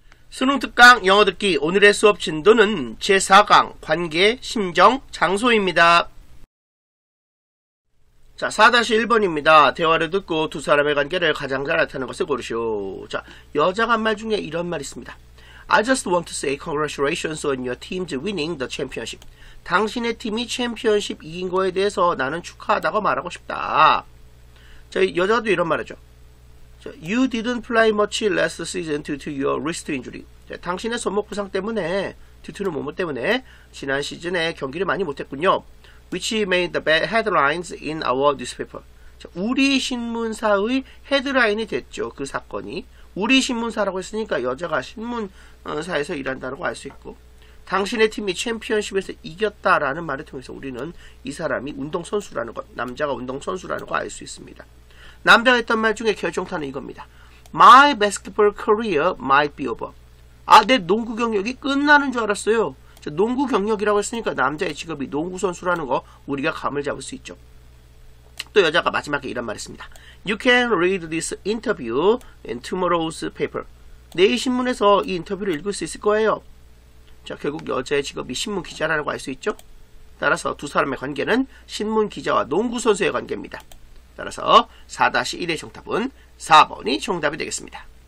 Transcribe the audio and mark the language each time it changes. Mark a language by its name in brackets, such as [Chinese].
[Korean] 수능특강 영어듣기 오늘의 수업 진도는 제4강 관계, 심정, 장소입니다. 자, 4-1번입니다. 대화를 듣고 두 사람의 관계를 가장 잘 나타내는 것을 고르시오. 자, 여자가 한 말 중에 이런 말이 있습니다. [English] I just want to say congratulations on your team's winning the championship. [Korean] 당신의 팀이 챔피언십 이긴 거에 대해서 나는 축하하다고 말하고 싶다. 자, 여자도 이런 말하죠. [English] You didn't play much last season due to your wrist injury. [Korean] 자, 당신의 손목 부상 때문에, due to는 뭐뭐 때문에, 지난 시즌에 경기를 많이 못했군요. [English] Which made the bad headlines in our newspaper. [Korean] 자, 우리 신문사의 헤드라인이 됐죠, 그 사건이. 우리 신문사라고 했으니까 여자가 신문사에서 일한다고 알 수 있고. 당신의 팀이 챔피언십에서 이겼다라는 말을 통해서 우리는 이 사람이 운동선수라는 것, 남자가 운동선수라는 걸 알 수 있습니다. 남자가 했던 말 중에 결정타는 이겁니다. [English] My basketball career might be over. [Korean] 아, 내 농구 경력이 끝나는 줄 알았어요. 저 농구 경력이라고 했으니까 남자의 직업이 농구선수라는 거 우리가 감을 잡을 수 있죠. 또 여자가 마지막에 이런 말 했습니다. [English] You can read this interview in tomorrow's paper. [Korean] 내일 신문에서 이 인터뷰를 읽을 수 있을 거예요. 자, 결국 여자의 직업이 신문 기자라고 할 수 있죠? 따라서 두 사람의 관계는 신문 기자와 농구 선수의 관계입니다. 따라서 4-1의 정답은 4번이 정답이 되겠습니다.